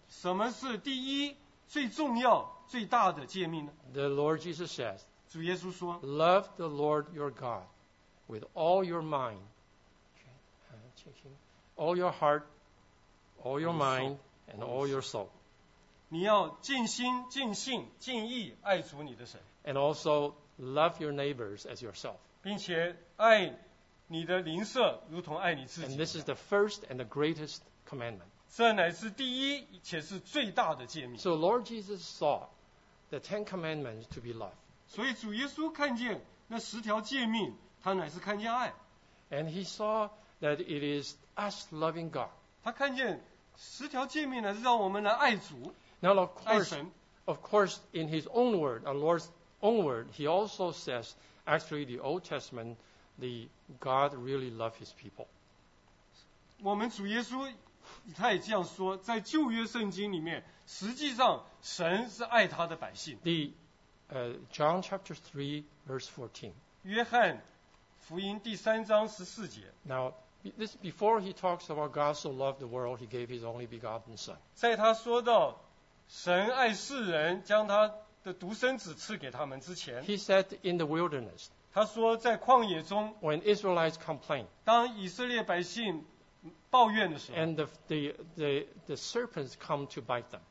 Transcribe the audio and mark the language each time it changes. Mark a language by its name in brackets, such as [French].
[Chinese] 什么是第一最重要？最大的诫命呢？ [English] The Lord Jesus says, [Chinese] 主耶稣说， [English] Love the Lord your God with all your mind, all your heart, all your mind, and all your soul. [Chinese] 你要尽心、尽性、尽意爱主你的神。 [English] And also love your neighbors as yourself. [Chinese] 并且爱你的邻舍如同爱你自己。 [English] And this is the first and the greatest commandment. [Chinese] 这乃是第一且是最大的诫命。 [English] So Lord Jesus saw. The Ten Commandments to be love. [Chinese] 所以主耶稣看见那十条诫命，他乃是看见爱。 [English] And he saw that it is us loving God. [Chinese] 他看见十条诫命呢，是让我们来爱主。 [English] Now of course, [Chinese] 爱神。 [English] Of course, in his own word, our Lord's own word, he also says, actually, the Old Testament, the God really loved his people. [Chinese] 我们主耶稣他也这样说，在旧约圣经里面。实际上神是爱他的百姓。 [English] The John chapter 3, verse 14. [Chinese] 约翰福音第三章十四节。 [English] Now, this, before he talks about God so loved the world, he gave his only begotten son. [Chinese] 在他说到神爱世人，将他的独生子赐给他们之前， [English] he said in the wilderness, [Chinese] 他说在旷野中， [English] when Israelites complain, [Chinese] 当以色列百姓抱怨的时候， [English] and the serpents come to bite them,